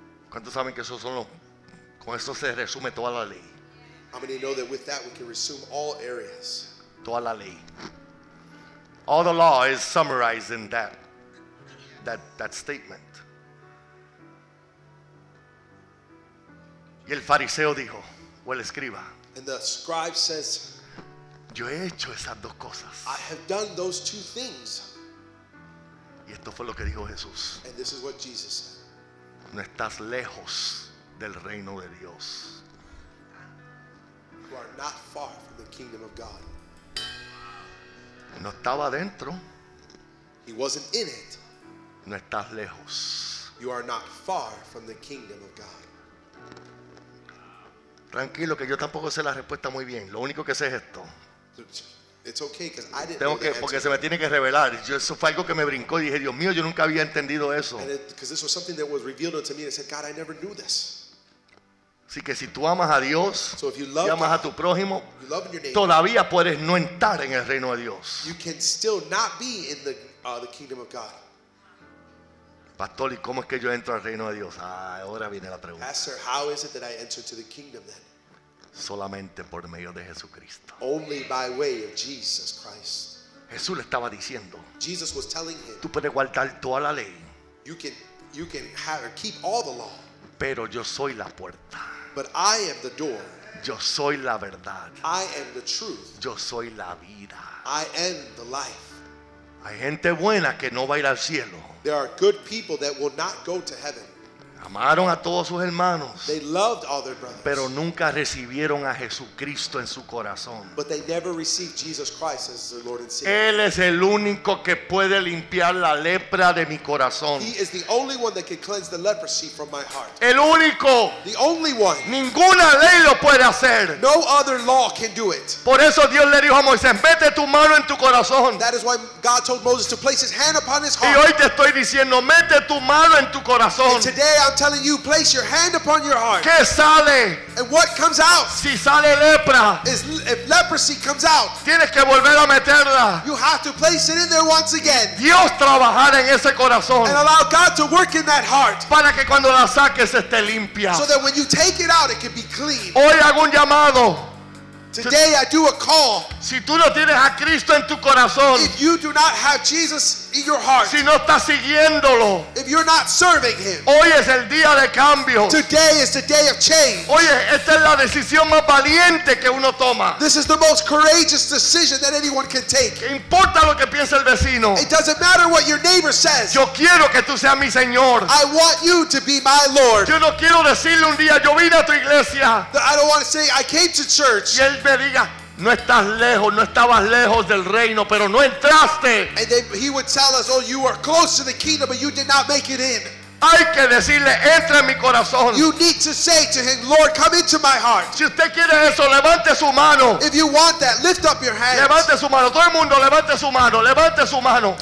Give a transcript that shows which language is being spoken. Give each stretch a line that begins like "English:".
Spanish: ¿Cuántos saben que esos son los, con eso se resume toda la ley?
English: How many know that with that we can resume all areas?
Spanish: Toda la ley.
English: All the law is summarized in that statement.
Spanish: Y el fariseo dijo, o el escriba.
English: And the scribe says,
Spanish: yo he hecho esas dos cosas.
English: I have done those two things.
Spanish: Y esto fue lo que dijo Jesús.
English: And this is what Jesus said.
Spanish: No estás lejos del reino de Dios.
English: You are not far from the kingdom of God.
Spanish: No estaba dentro.
English: He wasn't in it.
Spanish: No estás lejos.
English: You are not far from the kingdom of God.
Spanish: Tranquilo, que yo tampoco sé la respuesta muy bien. Lo único que sé es esto.
English: It's okay, because I didn't.
Spanish: Tengo que, porque se me tiene que revelar. Yo, eso fue algo que me brincó y dije, Dios mío, yo nunca había entendido eso.
English: Because this was something that was revealed unto me, and I said, God, I never knew this.
Spanish: Así que si tú amas a Dios,
English: so if you love
Spanish: y amas
English: God,
Spanish: a tu prójimo,
English: you love your neighbor,
Spanish: todavía puedes no entrar en el reino de Dios.
English: You can still not be in the kingdom of God.
Spanish: Pastor, ¿y cómo es que yo entro al reino de Dios? Ahora viene la pregunta.
English: Pastor, how is it that I enter to the kingdom then?
Spanish: Solamente por medio de Jesucristo.
English: Only by way of Jesus Christ.
Spanish: Jesús le estaba diciendo,
English: Jesus was telling him,
Spanish: tú puedes guardar toda la ley.
English: You can have or keep all the law.
Spanish: Pero yo soy la puerta.
English: But I am the door.
Spanish: Yo soy la verdad.
English: I am the truth.
Spanish: Yo soy la vida.
English: I am the life.
Spanish: Hay gente buena que no va a ir al cielo.
English: There are good people that will not go to heaven.
Spanish: Amaron a todos sus hermanos.
English: They loved all their brothers.
Spanish: Pero nunca recibieron a Jesucristo en su corazón.
English: But they never received Jesus Christ as their Lord and Savior.
Spanish: Él es el único que puede limpiar la lepra de mi corazón.
English: He is the only one that can cleanse the leprosy from my heart.
Spanish: El único.
English: The only one.
Spanish: Ninguna ley lo puede hacer.
English: No other law can do it.
Spanish: Por eso Dios le dijo a Moisés, mete tu mano en tu corazón.
English: That is why God told Moses to place his hand upon his heart.
Spanish: Y hoy te estoy diciendo, mete tu mano en tu corazón.
English: And today I'm telling you, place your hand upon your heart.
Spanish: ¿Qué sale?
English: And what comes out?
Spanish: Si sale lepra,
English: is if leprosy comes out,
Spanish: tienes que volver a meterla.
English: You have to place it in there once again.
Spanish: Dios trabajará en ese corazón.
English: And allow God to work in that heart.
Spanish: Para que cuando la saques esté limpia.
English: So that when you take it out, it can be clean.
Spanish: Hoy hago un llamado.
English: Today I do a call.
Spanish: Si tú no tienes a Cristo en tu corazón,
English: if you do not have Jesus in your heart,
Spanish: si no estás siguiéndolo,
English: if you're not serving him,
Spanish: hoy es el día de cambio.
English: Today is the day of change.
Spanish: Oye, esta es la decisión más valiente que uno toma.
English: This is the most courageous decision that anyone can take.
Spanish: ¿Qué importa lo que piense el vecino?
English: It doesn't matter what your neighbor says.
Spanish: Yo quiero que tú seas mi Señor.
English: I want you to be my Lord.
Spanish: Yo no quiero decirle un día, yo vine a tu iglesia.
English: I don't want to say I came to church.
Spanish: Y él me diga, no estás lejos, no estabas lejos del reino, pero no entraste.
English: And then he would tell us, oh, you are close to the kingdom, but you did not make it in.
Spanish: Hay que decirle, entra en mi corazón.
English: You need to say to him, Lord, come into my heart.
Spanish: Si usted quiere eso, levante su mano.
English: If you want that, lift up your hands.
Spanish: Levante su mano. Todo el mundo, levante su mano. Levante su mano.